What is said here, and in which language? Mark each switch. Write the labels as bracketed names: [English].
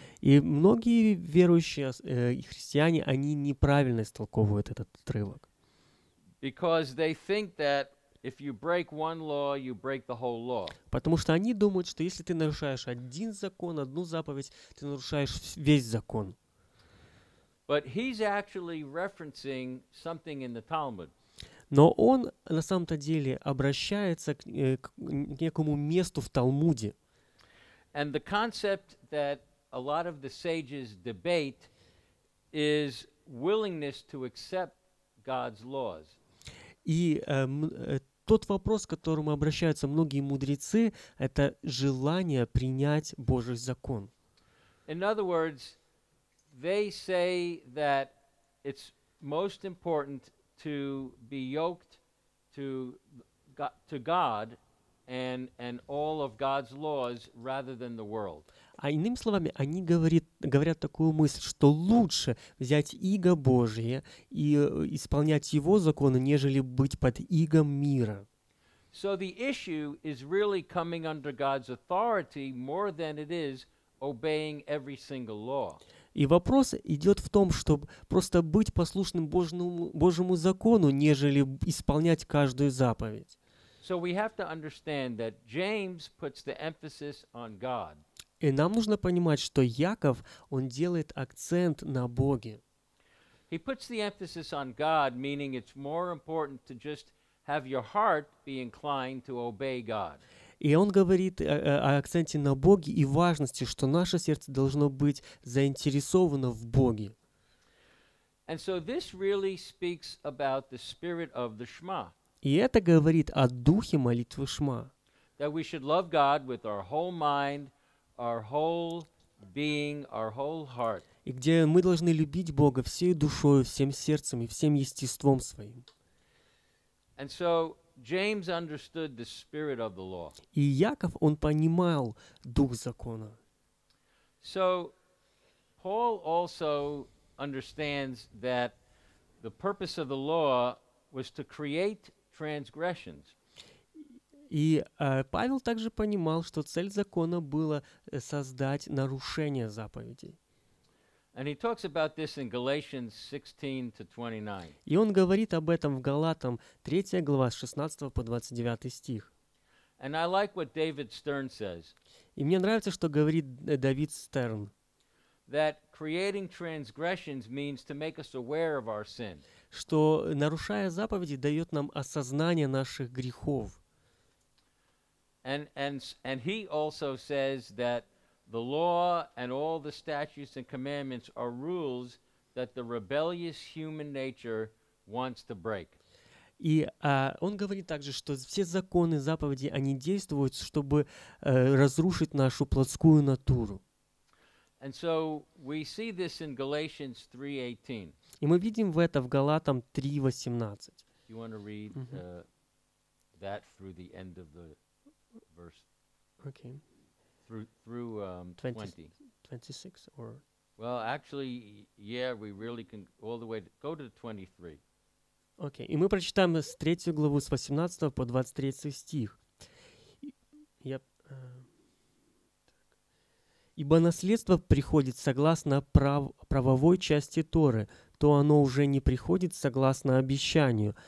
[Russian] И многие верующие и христиане, они неправильно истолковывают этот отрывок. [English] Because they think that if you break one law, you break the whole law. [Russian] Потому что они думают, что если ты нарушаешь один закон, одну заповедь, ты нарушаешь весь закон. [English] But he's actually referencing something in the Talmud. [Russian] Но он на самом-то деле обращается к некому месту в Талмуде. [English] And the concept that a lot of the sages debate is willingness to accept God's laws. [Russian] И тот вопрос, к которому обращаются многие мудрецы, это желание принять Божий закон. [English] In other words, they say that it's most important to be yoked to God and all of God's laws rather than the world. [Russian] А иными словами, они говорят такую мысль, что лучше взять иго Божие и исполнять его законы, нежели быть под игом мира. [English] So the issue is really coming under God's authority more than it is obeying every single law. [Russian] И вопрос идет в том, чтобы просто быть послушным Божьему закону, нежели исполнять каждую заповедь. [English] So we have to understand that James puts the emphasis on God. [Russian] И нам нужно понимать, что Яков, он делает акцент на Боге. [English] He puts the emphasis on God, meaning it's more important to just have your heart be inclined to obey God. [Russian] И он говорит о акценте на Боге и важности, что наше сердце должно быть заинтересовано в Боге. [English] And so this really speaks about the spirit of the Shema. [Russian] И это говорит о духе молитвы Шма. [English] That we should love God with our whole mind, our whole being, our whole heart. [Russian] И где мы должны любить Бога всей душой, всем сердцем и всем естеством своим. [English] And so James understood the spirit of the law. [Russian] И Яков, он понимал дух закона. [English] So Paul also understands that the purpose of the law was to create transgressions. [Russian] И Павел также понимал, что цель закона была создать нарушение заповедей. [English] And he talks about this in Galatians 16-29. [Russian] И он говорит об этом в Галатам 3 глава с 16 по 29 стих. [English] And I like what David Stern says. [Russian] И мне нравится, что говорит Давид Стерн. [English] That creating transgressions means to make us aware of our sin. [Russian] Что нарушая заповеди дает нам осознание наших грехов. [English] And he also says that the law and all the statutes and commandments are rules that the rebellious human nature wants to break. [Russian] И он говорит также, что все законы, заповеди, они действуют, чтобы разрушить нашу плотскую натуру. [English] And so we see this in Galatians 3:18. [Russian] И мы видим в это в Галатам 3:18. [English] You want to read that through the end of the verse. Okay. Through 20. 26 or? Well, actually, yeah, we really can all the way go to 23. Okay. [Russian] И мы прочитаем с 3 главу с 18 по 23 стих. Ибо наследство приходит согласно правовой части Торы, то оно уже не приходит согласно обещанию.